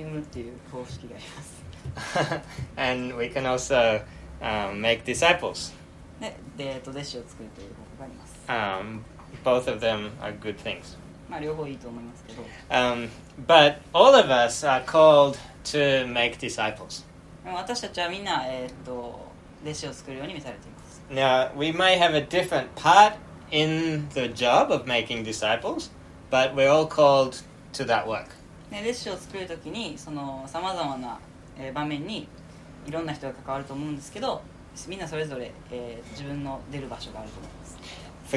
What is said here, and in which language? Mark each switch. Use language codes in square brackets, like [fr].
[ja] 子供を大量に産むっていう方式があります。 [en] And we can also make disciples. [ja] で、弟子を作るという方法があります。 [en] Both of them are good things. [ja] まあ、両方いいと思いますけど。 [en] But all of us are called to make disciples. [ja] 私たちはみんな、 弟子を作るように召されています。 [en] Now, we may have a different part in the job of making disciples, but we're all called to that work. For